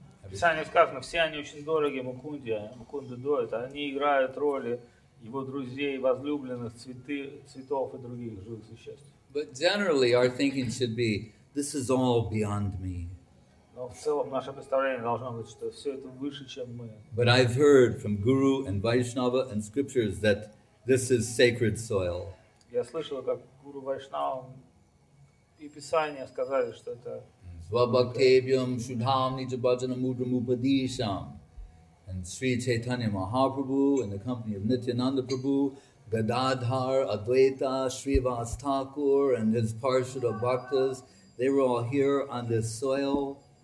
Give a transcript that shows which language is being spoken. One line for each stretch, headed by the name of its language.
Russian: Писание сказано, все они очень дороги Мукунде, Мукунда Дойт, они играют роли его друзей, возлюбленных, цветов и других живых существ.
English: But generally our thinking should be, this is all beyond me.
Russian: Но в целом наше представление должно быть, что все это выше, чем мы.
English: But I've heard from Guru and Vaishnava and scriptures that this is sacred soil.
Russian: Я слышал, как Гуру Вайшнавам и Писание сказали, что это
Sanskrit: Svabhaktebhyam Shudham Nijabhajanam Mudram Upadisham.
English: And Sri Chaitanya Mahaprabhu in the company of Nityananda Prabhu, Gadadhar Advaita, Srivas Thakur, and his Parshuddha Bhaktas, they were all here on this soil.